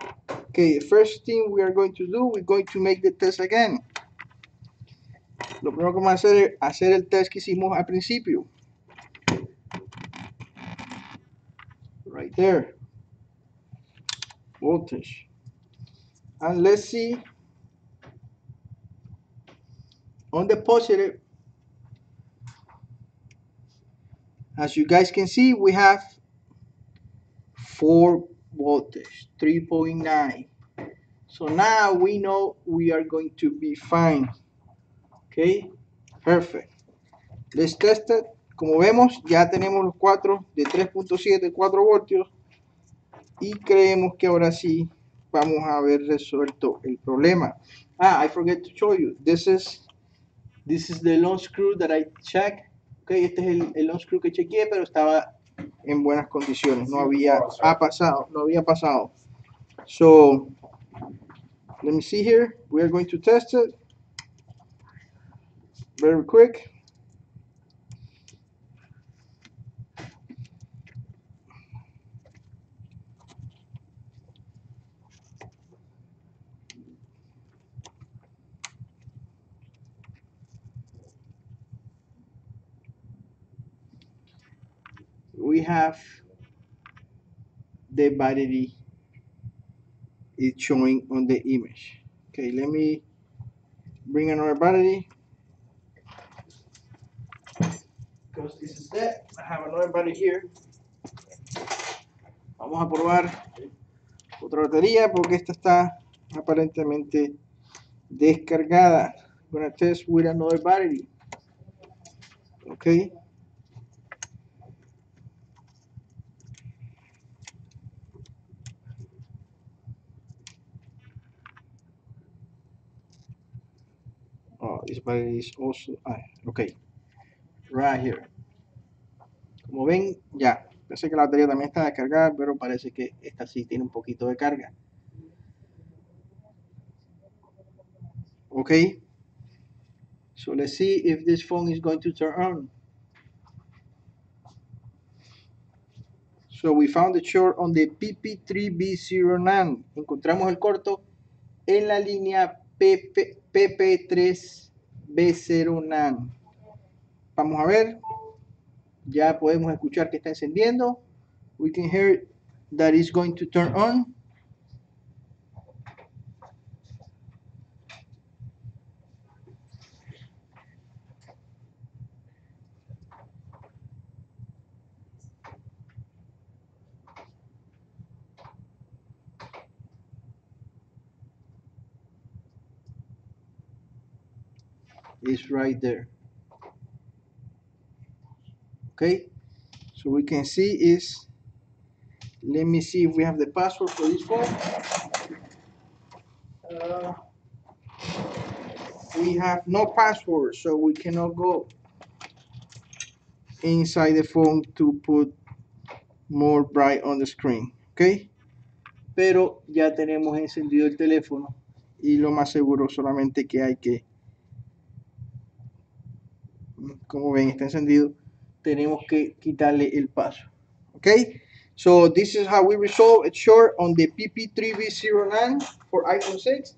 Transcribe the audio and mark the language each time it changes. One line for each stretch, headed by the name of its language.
English: Okay, the first thing we are going to do, we're going to make the test again.
Spanish: Lo primero que vamos a hacer es hacer el test que hicimos al principio.
English: Right there. Voltage. And let's see. On the positive, as you guys can see, we have 4 voltage, 3.9. So now we know we are going to be fine. Okay, perfect. Let's test it.
Spanish: Como vemos, ya tenemos los 4 de 3.7, 4 voltios. Y creemos que ahora sí vamos a haber resuelto el problema.
English: Ah, I forget to show you. This is This is the long screw that I check.
Spanish: Okay, este es el long screw que chequeé, pero estaba en buenas condiciones. No había pasado, no había pasado.
English: So, let me see here. We are going to test it very quick. We have the battery, it's showing on the image. Okay, let me bring another battery. Because this is dead, I have another battery here.
Spanish: Vamos a probar otra batería porque esta está aparentemente descargada.
English: I'm gonna test with another battery. Okay. But it is also okay, right here.
Spanish: Como ven, ya pensé que la batería también está descargada, pero parece que esta sí tiene un poquito de carga.
English: Okay, so let's see if this phone is going to turn on. So we found the short on the PP3B09.
Spanish: Encontramos el corto en la línea PP3B09. Vamos a ver. Ya podemos escuchar que está encendiendo.
English: We can hear that it's going to turn on. Is right there. Okay, so we can see is, let me see if we have the password for this phone. We have no password, so we cannot go inside the phone to put more bright on the screen.
Spanish: Okay, pero ya tenemos encendido el teléfono y lo más seguro solamente que hay que, como ven, está encendido, tenemos que quitarle el paso.
English: Okay, so this is how we resolve it short on the PP3B09 for iPhone 6.